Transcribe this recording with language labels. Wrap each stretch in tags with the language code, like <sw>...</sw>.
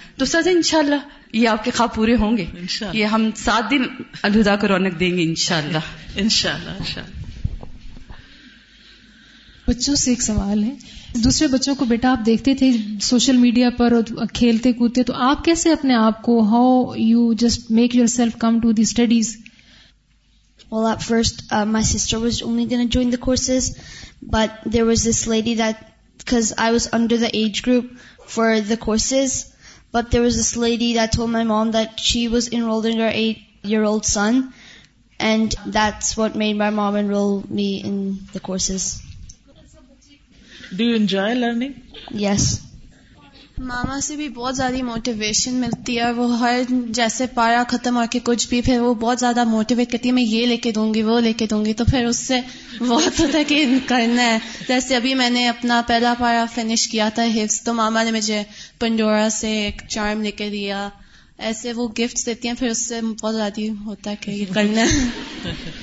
<ur>تو سر انشاءاللہ یہ آپ کے خواب پورے ہوں گے، یہ ہم 7 دن الہدا کو رونق دیں گے انشاءاللہ انشاءاللہ. بچوں سے ایک سوال ہے، دوسرے بچوں کو بیٹا آپ دیکھتے تھے سوشل میڈیا پر اور کھیلتے کودتے، تو آپ کیسے اپنے آپ کو</ur> <en>How you just make yourself come to the studies? Well, at first, my sister was only going to join the courses, but there was this lady that, because I was under the age group for the courses, but there was this lady that told my mom that she was enrolling her 8-year-old son, and that's what made my mom enroll me in the courses. Do you enjoy learning? Yes.</en> <ur>ماما سے بھی بہت زیادہ motivation ملتی ہے، وہ ہر جیسے پارا ختم ہو کے کچھ بھی پھر وہ بہت زیادہ موٹیویٹ کرتی ہے، میں یہ لے کے دوں گی وہ لے کے دوں گی، تو پھر اس سے بہت ہوتا ہے کہ کرنا ہے. جیسے ابھی میں نے اپنا پہلا پارا فنش کیا تھا حفظ، تو ماما نے مجھے پنڈورا سے ایک چارم لے کے دیا، ایسے وہ گفٹس دیتی ہیں، پھر اس سے بہت زیادہ ہوتا ہے کہ یہ کرنا ہے.</ur>